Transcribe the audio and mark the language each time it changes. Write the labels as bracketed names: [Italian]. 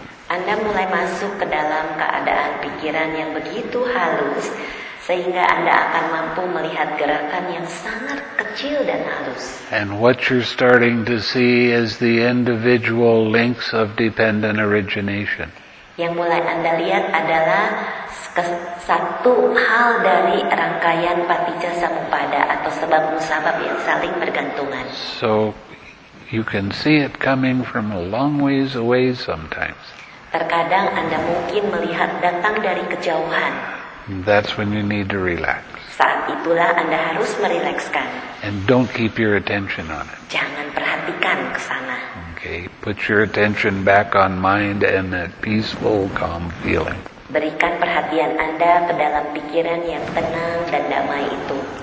[Indonesian] Anda mulai masuk ke dalam keadaan pikiran yang begitu halus sehingga Anda akan mampu melihat gerakan yang sangat kecil dan halus. [English] And what you're starting to see is the individual links of dependent origination. [Indonesian] Yang mulai Anda lihat adalah satu hal dari rangkaian paticca samuppada atau sebab musabab yang saling bergantungan. [English] So you can see it coming from a long ways away sometimes. [Indonesian] Terkadang Anda mungkin melihat datang dari kejauhan. [English] That's when you need to relax. [Indonesian] Saat itulah Anda harus merilekskan. [English] And don't keep your attention on it. [Indonesian] Jangan perhatikan ke sana. [English] Okay, put your attention back on mind and that peaceful, calm feeling. [Indonesian] Berikan perhatian Anda ke dalam pikiran yang tenang dan damai itu.